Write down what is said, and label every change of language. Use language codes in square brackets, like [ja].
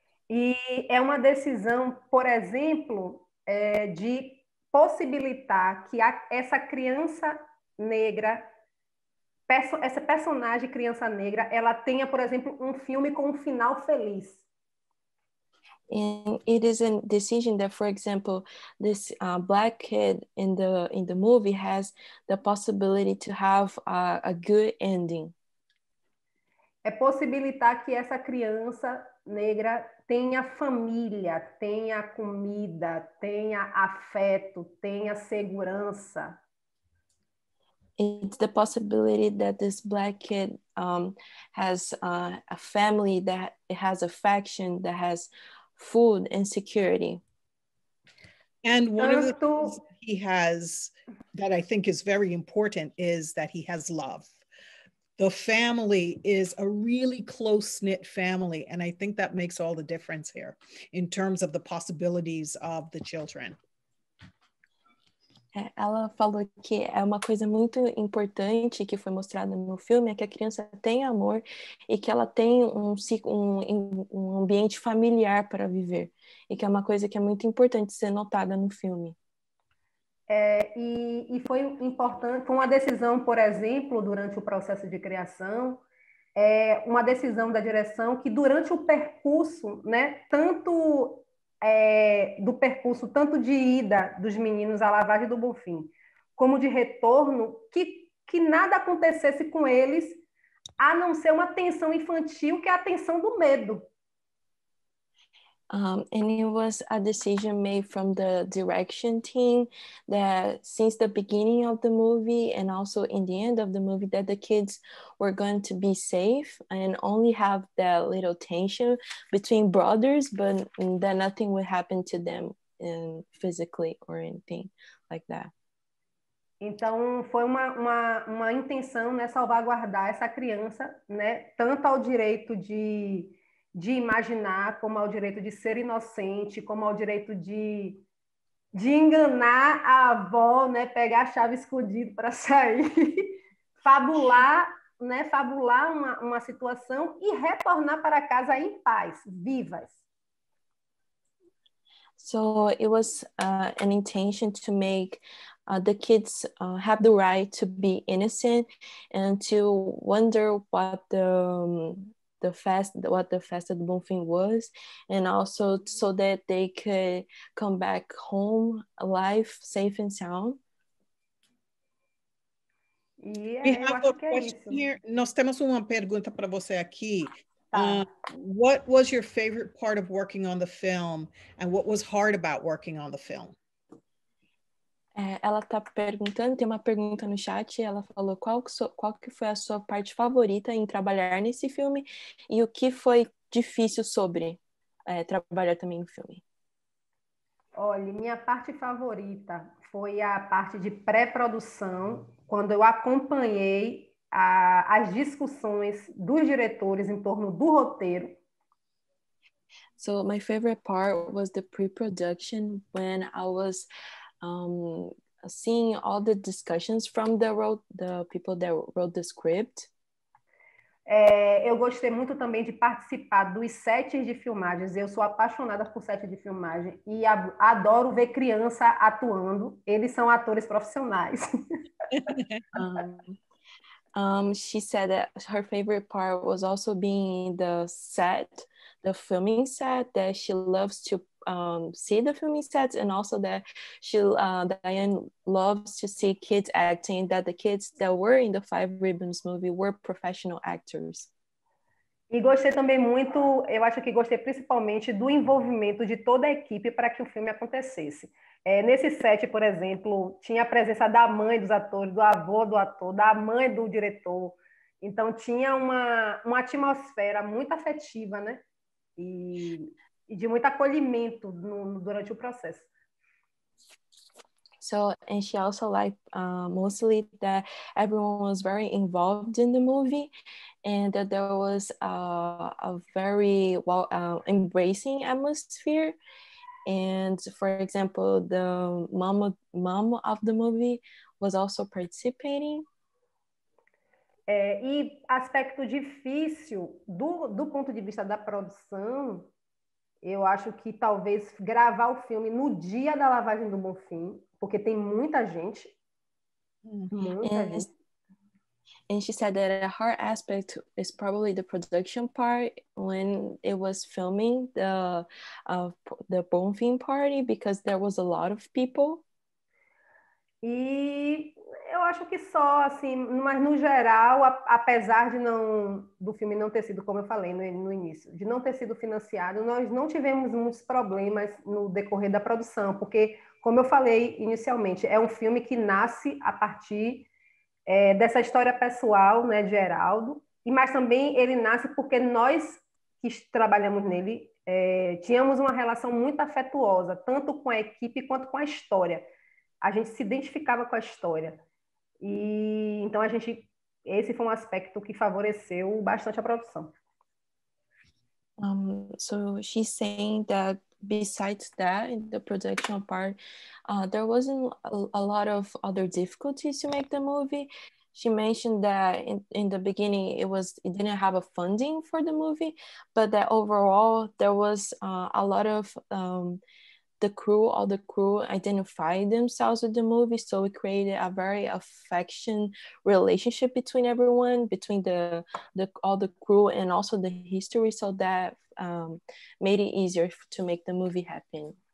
[pt] E é uma decisão, por exemplo, de possibilitar que essa criança negra, essa personagem criança negra, ela tenha, por exemplo, um filme com um final feliz. [en] And it is a decision that, for example, this black kid in the movie has the possibility to have a good ending. [pt] É possibilitar que essa criança negra tenha família, tenha comida, tenha afeto, tenha segurança. [en] It's the possibility that this black kid has a family, that it has affection, that has food and security. And one of the things he has that I think is very important is that he has love. The family is a really close-knit family, and I think that makes all the difference here in terms of the possibilities of the children. [pt] Ela falou que é uma coisa muito importante que foi mostrada no filme, é que a criança tem amor e que ela tem um ambiente familiar para viver. E que é uma coisa que é muito importante ser notada no filme. E foi importante, foi uma decisão, por exemplo, durante o processo de criação, uma decisão da direção que durante o percurso, né, tanto... do percurso tanto de ida dos meninos à lavagem do Bonfim, como de retorno, que nada acontecesse com eles, a não ser uma tensão infantil, que é a tensão do medo. [en] And it was a decision made from the direction team that since the beginning of the movie and also in the end of the movie that the kids were going to be safe and only have that little tension between brothers, but that nothing would happen to them physically or anything like that. [pt] Então, foi uma intenção, né, salvaguardar essa criança, né, tanto ao direito de imaginar, como ao direito de ser inocente, como ao direito de enganar a avó, né, pegar a chave escondida para sair, fabular, né, fabular uma situação e retornar para casa em paz, vivas. [en] So it was an intention to make the kids have the right to be innocent and to wonder what the fest of the Bonfim was, and also so that they could come back home alive, safe and sound. We have a question here. [pt] Nós temos uma pergunta para você aqui. [en] What was your favorite part of working on the film, and what was hard about working on the film? [pt] Ela está perguntando, tem uma pergunta no chat, ela falou qual que foi a sua parte favorita em trabalhar nesse filme e o que foi difícil sobre trabalhar também no filme. Olha, minha parte favorita foi a parte de pré-produção, quando eu acompanhei as discussões dos diretores em torno do roteiro. [en] So, my favorite part was the pre-production, when I was seeing all the discussions from the people that wrote the script. [pt] Eu gostei muito também de participar dos sets de filmagens. Eu sou apaixonada por sets de filmagem e adoro ver criança atuando. Eles são atores profissionais. [en] She said that her favorite part was also being in the set, the filming set, that she loves to see the filming sets, and also that she, Diane loves to see kids acting, that the kids that were in the Five Ribbons movie were professional actors. [pt] E gostei também muito, eu acho que gostei principalmente do envolvimento de toda a equipe para que o filme acontecesse. Nesse set, por exemplo, tinha a presença da mãe dos atores, do avô do ator, da mãe do diretor. Então tinha uma atmosfera muito afetiva, né? E de muito acolhimento durante o processo. [en] So, and she also liked mostly that everyone was very involved in the movie and that there was a very well embracing atmosphere. And for example, the mom of the movie was also participating. [pt] E aspecto difícil do ponto de vista da produção, eu acho que talvez gravar o filme no dia da lavagem do Bonfim, porque tem muita gente. [en] And she said that a hard aspect is probably the production part when it was filming the Bonfim party, because there was a lot of people. [pt] E Eu acho que só, assim, mas no geral, apesar de não, do filme não ter sido, como eu falei no início, de não ter sido financiado, nós não tivemos muitos problemas no decorrer da produção, porque, como eu falei inicialmente, é um filme que nasce a partir dessa história pessoal, né, de Heraldo, mas também ele nasce porque nós que trabalhamos nele tínhamos uma relação muito afetuosa, tanto com a equipe quanto com a história. A gente se identificava com a história. E então a gente, esse foi um aspecto que favoreceu bastante a produção. [en] So she's saying that besides that, in the production part, there wasn't a lot of other difficulties to make the movie. She mentioned that in the beginning it didn't have a funding for the movie, but that overall there was a lot of all the crew identified themselves with the movie, so it created a very affectionate relationship between everyone, between the all the crew and also the history, so that made it easier to make the movie happen.